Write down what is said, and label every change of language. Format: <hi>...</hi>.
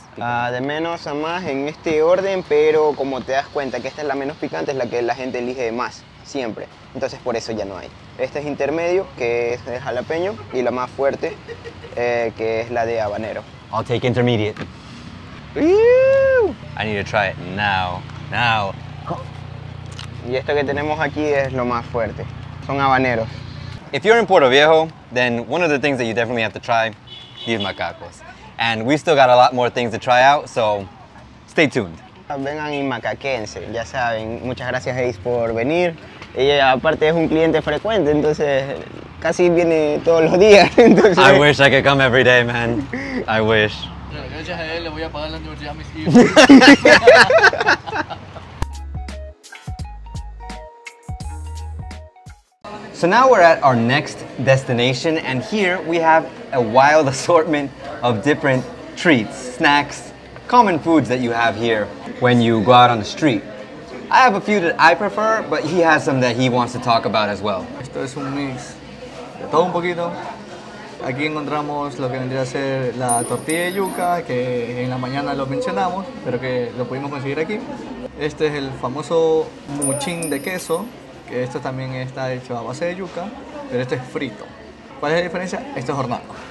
<es>De menos a más en este orden, pero como te das cuenta que esta es la menos picante, es la que la gente elige más, siempre. Entonces por eso ya no hay. Este es intermedio, que es el jalapeño, y la más fuerte, que es la de habanero.</es> <en>I'll take intermediate. Woo! I need to try it now.</en> <es>Y esto que tenemos aquí es lo más fuerte. Son habaneros.</es> <en>If you're in Portoviejo, then one of the things that you definitely have to try, these macacos. And we still got a lot more things to try out, so stay tuned.</en> <es>Vengan y macaquense, ya saben. Muchas gracias, Ace, por venir. Y aparte es un cliente frecuente, entonces casi viene todos los días. Entonces...</es> <en>I wish I could come every day, man. I wish.</en> <es>Gracias a él le voy a pagar la universidad a mis hijos.</es> <en>So now we're at our next destination, and here we have a wild assortment of different treats, snacks, common foods that you have here when you go out on the street. I have a few that I prefer, but he has some that he wants to talk about as well.</en> <es>Esto es un mix de todo un poquito. Aquí encontramos lo que vendría a ser la tortilla de yuca, que en la mañana lo mencionamos, pero que lo pudimos conseguir aquí. Este es el famoso muchin de queso, que esto también está hecho a base de yuca, pero este es frito. ¿Cuál es la diferencia? Este es hornado.</es>